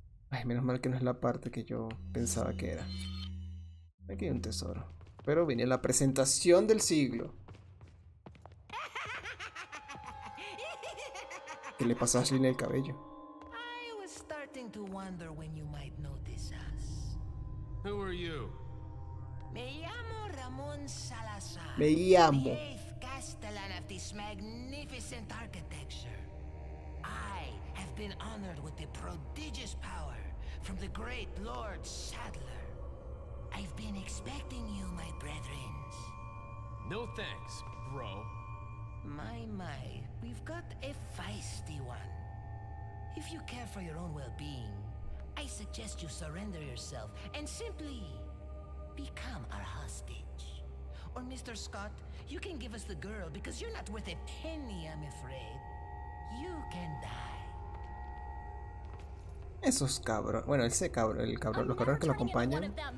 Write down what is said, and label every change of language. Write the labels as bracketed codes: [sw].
[es] Ay, menos mal que no es la parte que yo pensaba que era. Aquí hay un tesoro. Pero viene la presentación del siglo. ¿Qué le pasa a Ashley en el cabello? [en] I was starting to wonder when you might notice us. Who are you? [es] Me llamo Ramón Salazar. Me llamo. [en] The eighth castellan of this magnificent architecture. I have been honored with the prodigious power from the great Lord Sadler. I've been expecting you, my brethren. No thanks, bro. My, my, we've got a feisty one. If you care for your own well-being, I suggest you surrender yourself and simply become our hostage. Or, Mr. Scott, you can give us the girl because you're not worth a penny, I'm afraid. You can die. [es] Esos cabros. Bueno, ese cabrón, el cabrón, los cabrones que lo acompañan.